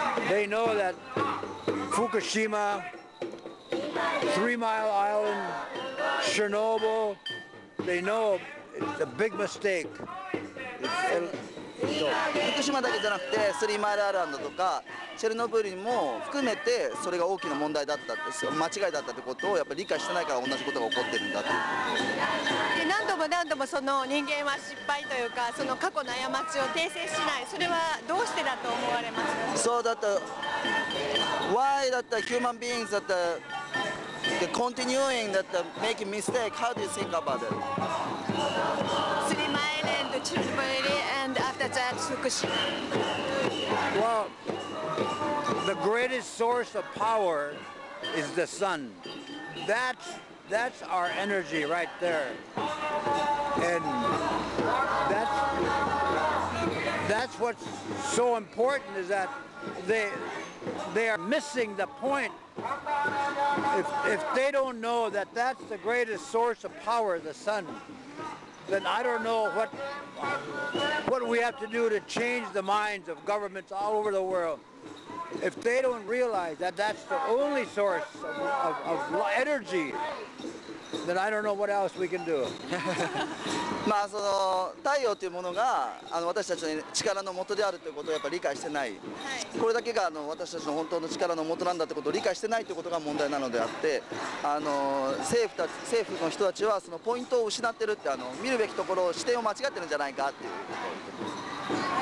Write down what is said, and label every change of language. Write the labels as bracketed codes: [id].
[en] They know that Fukushima, Three Mile Island, Chernobyl, they know it's a big mistake. [ja] 福島だけじゃなくて、スリーマイルアイランドとかチェルノブイリも含めてそれが大きな問題だったって、間違いだったってことをやっぱり理解してないから同じことが起こってるんだって。で、何度も何度もその人間は失敗というか、その過去の過ちを訂正しない、それはどうしてだと思われますか。そうだった [en] Why that the human beings that the continuing that the making mistake, how do you think about it? スリーマイルアイランド、チェルノブイリ and after that 福島。 WellThe greatest source of power is the sun. That's our energy right there. And that's what's so important is that they are missing the point. If they don't know that that's the greatest source of power, the sun, then I don't know what we have to do to change the minds of governments all over the world. If they don't realize that that's the only source of energy, then I don't know what else we can do. [ja] まあその太陽というものがあの私たちの力の元であるということをやっぱり理解してない、はい、これだけがあの私たちの本当の力の元なんだということを理解してないということが問題なのであってあの 政府の人たちはそのポイントを失ってるってあの見るべきところ視点を間違ってるんじゃないかっていう、